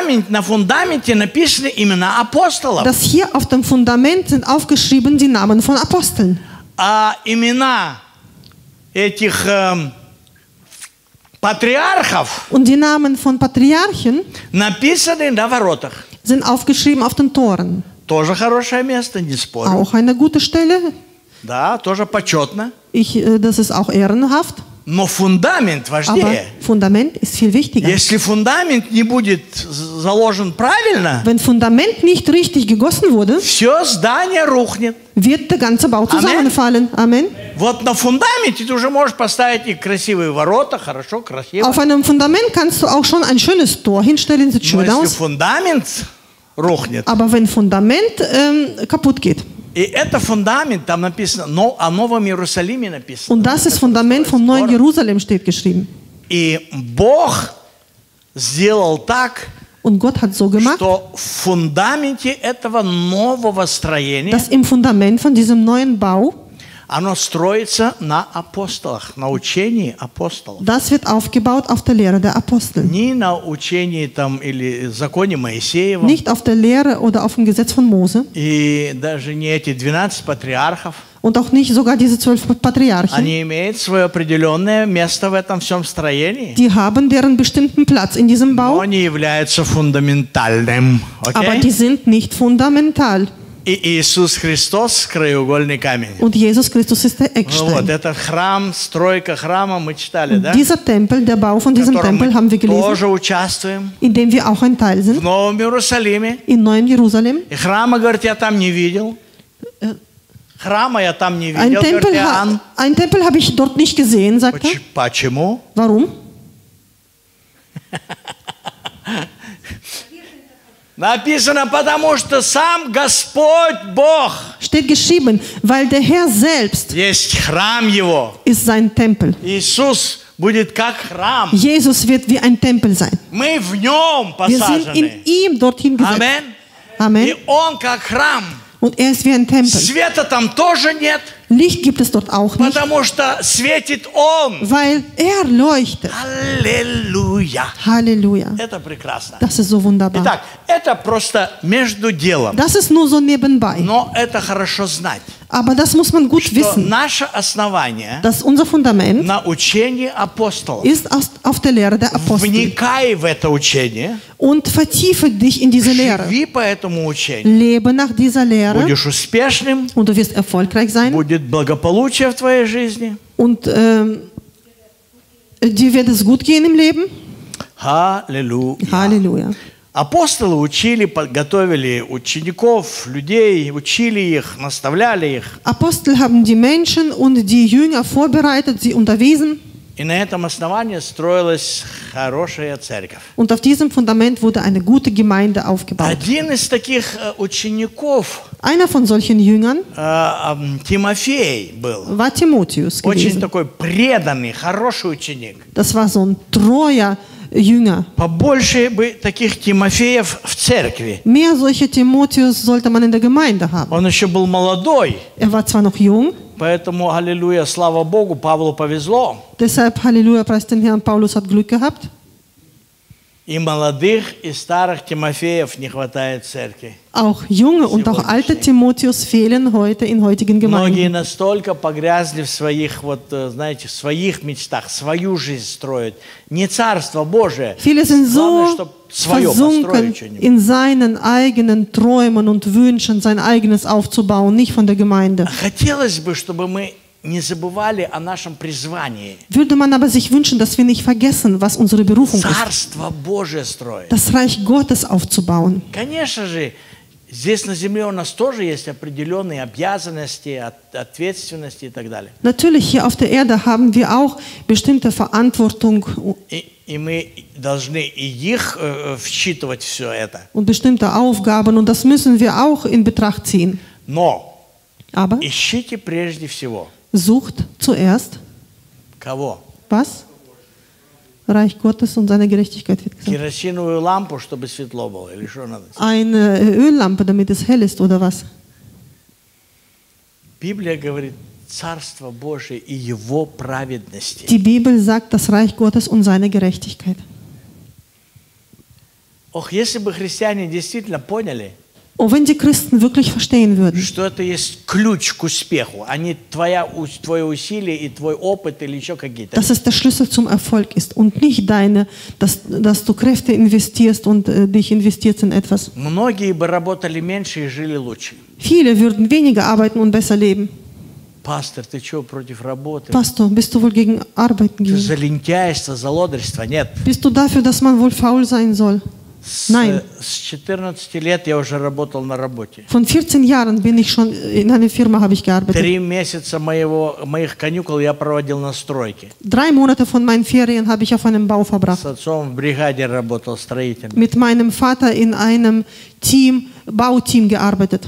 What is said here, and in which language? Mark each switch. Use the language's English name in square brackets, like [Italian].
[Russian] На фундаменте написаны имена апостолов. [German] Dass hier auf dem Fundament sind aufgeschrieben die Namen von Aposteln. [Russian] А имена этих патриархов [German] und die Namen von Patriarchen [Russian] написаны на воротах. [German] Sind aufgeschrieben auf den Toren. [Russian] Тоже хорошее место, не спорю. [German] Auch eine gute Stelle. [Russian] Да, тоже почетно. [German] Das ist auch ehrenhaft. [Russian] Но фундамент важнее. [German] Aber Fundament ist viel wichtiger. [Russian] Если фундамент не будет заложен правильно, [German] wenn Fundament nicht richtig gegossen wurde, [Russian] все здание рухнет. [German] Wird der ganze Bau zusammenfallen. Amen. [Russian] Вот на фундаменте ты уже можешь поставить и красивые ворота, хорошо, красиво. [German] Auf einem Fundament kannst du auch schon ein schönes Tor hinstellen, sieht schön aus. [Russian] Если фундамент рухнет. [German] Aber wenn Fundament kaputt geht. [Russian] И это фундамент, там написано, но о Новом Иерусалиме написано. [German] Und das ist Fundament vom Neuen Jerusalem steht geschrieben. [Russian] И Бог сделал так, [German] und Gott hat so gemacht, [Russian] что в фундаменте этого нового строения, [German] dass im Fundament von diesem neuen Bau, [Russian] оно строится на апостолах, на учении апостолов. [German] Das wird aufgebaut auf der Lehre der Apostel. [Russian] Не на учении там или законе Моисеева. [German] Nicht auf der Lehre oder auf dem Gesetz von Mose. [Russian] И даже не эти 12 патриархов. [German] Und auch nicht sogar diese 12 Patriarchen. [Russian] Они имеют свое определенное место в этом всем строении. [German] Die haben deren bestimmten Platz in diesem Bau. [Russian] Но они являются фундаментальным. [English] Okay? [German] Aber die sind nicht fundamental. [Russian] И Иисус Христос – краеугольный камень. [German] Und Jesus Christus ist der Eckstein. [Russian] Ну, вот этот храм, стройка храма, мы читали, да? [German] Dieser Tempel, der Bau von diesem Tempel, haben wir gelesen. [Russian] Которым мы тоже участвуем. [German] In dem wir auch ein Teil sind. [Russian] В Новом Иерусалиме. [German] In Neuem Jerusalem. [Russian] И храма, говорит, я там не видел. Храма я там не видел, [German] ein Tempel, [Russian] говорит, Иоанн. [German] Ein Tempel habe ich dort nicht gesehen, sagt er. [Russian] Почему? [German] Warum? [Russian] Написано, потому что сам Господь Бог. [German] Steht geschrieben, weil der Herr selbst. [Russian] Есть храм его. [German] Ist sein Tempel. [Russian] Иисус будет как храм. [German] Jesus wird wie ein Tempel sein. [Russian] Мы в нем посажены. [German] Wir sind in ihm dorthin gesetzt. Amen. Amen. [Russian] И он как храм. [German] Und ist wie ein Tempel. [Russian] Света там тоже нет. [German] Licht gibt es dort auch nicht. [Russian] Потому что светит он. [German] Weil leuchtet. Halleluja. Halleluja. [Russian] Это прекрасно. [German] Das ist so wunderbar. [Russian] Итак, это просто между делом. [German] Das ist nur so nebenbei. [Russian] Но это хорошо знать. [German] Aber das muss man gut [Russian] что [German] wissen. [Russian] Наше основание. [German] Dass unser Fundament. [Russian] На учении апостолов. [German] Ist auf der Lehre der Apostel. [Russian] Вникай в это учение. [German] Und vertiefe dich in diese Lehre. [Russian] Живи по этому учению. [German] Lebe nach dieser Lehre. [Russian] Будешь успешным. [German] Und du wirst erfolgreich sein. [Russian] Будет благополучие в твоей жизни. [German] Und dir wird es gut gehen im Leben. Halleluja. Halleluja. [Russian] Апостолы учили, подготовили учеников, людей, учили их, наставляли их. Апостолы [German] haben die Menschen und die Jünger vorbereitet, sie unterwiesen. [Russian] И на этом основании строилась хорошая церковь. [German] Und auf diesem Fundament wurde eine gute Gemeinde aufgebaut. [Russian] Один из таких учеников, [German] einer von solchen Jüngern, [Russian] Тимофей был, [German] war Timotheus gewesen. [Russian] Очень такой преданный, хороший ученик. [German] Das war so ein treuer Jünger. [Russian] Побольше бы таких Тимофеев в церкви. [German] Mehr solche Timotheus sollte man in der Gemeinde haben. [Russian] Он еще был молодой. [German] Er war zwar noch jung. [Russian] Поэтому, аллилуйя, слава Богу, Павлу повезло. [German] Deshalb, halleluja, preist den Herrn, Paulus hat Glück gehabt. [Russian] И молодых, и старых Тимофеев не хватает церкви. [German] Auch junge und auch alte Timotheus fehlen heute in heutigen Gemeinden. [Russian] Многие настолько погрязли в своих, вот, знаете, в своих мечтах, свою жизнь строят. Не царство Божие. [German] Viele sind so versunken in seinen eigenen Träumen und Wünschen, sein eigenes aufzubauen, nicht von der Gemeinde. [Russian] Хотелось бы, чтобы мы не забывали о нашем призвании. [German] Würde man aber sich wünschen, dass wir nicht vergessen, was unsere Berufung ist. [Russian] Царство Божие строить. [German] Das Reich Gottes aufzubauen. [Russian] Конечно же, здесь на земле у нас тоже есть определенные обязанности, ответственности и так далее. [German] Natürlich, hier auf der Erde haben wir auch bestimmte Verantwortung. [Russian] И мы должны и их вчитывать все это. [German] Und bestimmte Aufgaben, und das müssen wir auch in Betracht ziehen. [Russian] Но [German] Aber [Russian] ищите прежде всего. [German] Sucht zuerst. [Russian] Кого? [German] Was? Reich Gottes und seine Gerechtigkeit. [Russian] Керосиновую лампу, чтобы светло было, или что надо? [German] Eine Öllampe, damit es hell ist, oder was? [Russian] Библия говорит Царство Божие и Его праведности. [German] Die Bibel sagt das Reich Gottes und seine Gerechtigkeit. [Russian] Ох, если бы христиане действительно поняли. [German] Und wenn die Christen wirklich verstehen würden, [Russian] что это есть ключ к успеху, а не твои усилия и твой опыт или еще какие-то. [German] Dass es der Schlüssel zum Erfolg ist und nicht deine, dass du Kräfte investierst und dich investierst in etwas. [Russian] Многие бы работали меньше и жили лучше. [German] Viele würden weniger arbeiten und besser leben. [Russian] Пастор, ты что против работы? [German] Pastor, bist du wohl gegen Arbeit? [Russian] Ты за лентяйство, за лодырство? Нет. [German] Bist du dafür, dass man wohl faul sein soll? Nein. [Russian] С 14 лет я уже работал на работе. [German] Von 14 Jahren bin ich schon in einer Firma habe ich gearbeitet. [Russian] 3 месяца моих каникул я проводил на стройке. [German] Drei Monate von meinen Ferien habe ich auf einem Bau verbracht. [Russian] С отцом в бригаде работал строителем. [German] Mit meinem Vater in einem Team, Bauteam gearbeitet.